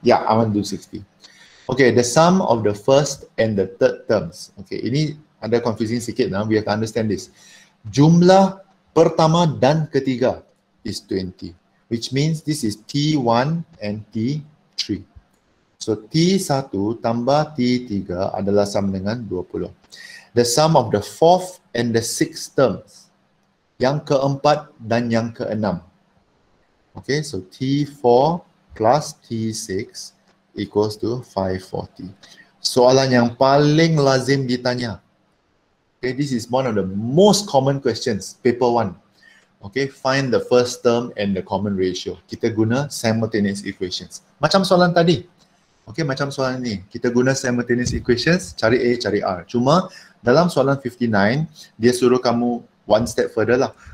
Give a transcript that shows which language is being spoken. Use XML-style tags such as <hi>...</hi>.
<en>Yeah, I want to do 60. Okay, the sum of the first and the third terms. Okay,</en> <ms>ini ada confusing sikit.</ms> <en>Now we have to understand this.</en> <ms>Jumlah pertama dan ketiga</ms> <en>is 20, which means this is T1 and T3.</en> <ms>So T1 tambah T3 adalah sama dengan 20.</ms> <en>The sum of the fourth and the sixth terms,</en> <ms>yang keempat dan yang keenam.</ms> <en>Okay, so T4 plus T6 equals to 540.</en> <ms>Soalan yang paling lazim ditanya.</ms> <en>Okay, this is one of the most common questions, paper 1. Okay, find the first term and the common ratio.</en> <ms>Kita guna simultaneous equations. Macam soalan tadi. Okay, macam soalan ni. Kita guna simultaneous equations, cari A, cari R. Cuma dalam soalan 59, dia suruh kamu</ms> <en>one step further lah.</en>